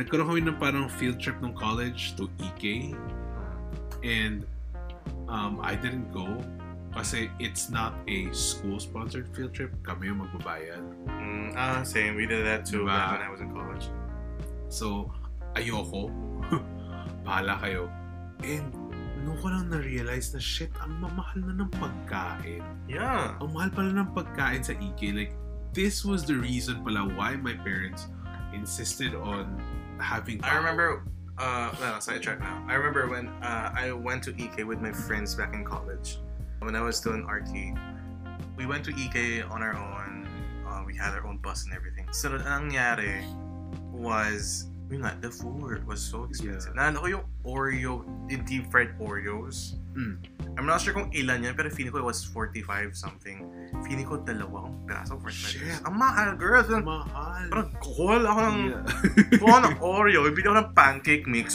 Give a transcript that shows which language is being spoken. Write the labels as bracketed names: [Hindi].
[Filipino] Nagkaroon kami ng parang field trip ng college to EK. [English] And I didn't go. Kasi it's not a school-sponsored field trip. [Filipino] Kami yung magbabayad. [English] Same. We did that too back when I was in college. [Filipino] So, ayoko. Bahala kayo. And, nung ko lang na-realize na, shit, ang mamahal na ng pagkain. [English] Yeah. [Filipino] Ang mahal pala ng pagkain sa EK. [English] Like, this was the reason pala why my parents insisted on having power. I remember, sidetrack now. I remember when I went to EK with my friends back in college. When I was still in RT, we went to EK on our own. We had our own bus and everything. So, [Filipino] ang nangyari [English] was... [Filipino] yun nga, [English] the food was so expensive. Yeah. [Filipino] Naalala ko yung Oreo, yung [English] deep fried Oreos. I'm not sure [Filipino] kung ilan yan, pero feeling ko [English] it was 45 something. [Filipino] Feeling ko dalawang piraso for [English] shit. [Filipino] Ang mahal, girls. Mahal. Parang kukuha ako ng, kukuha ng Oreo, bibili ako ng pancake mix.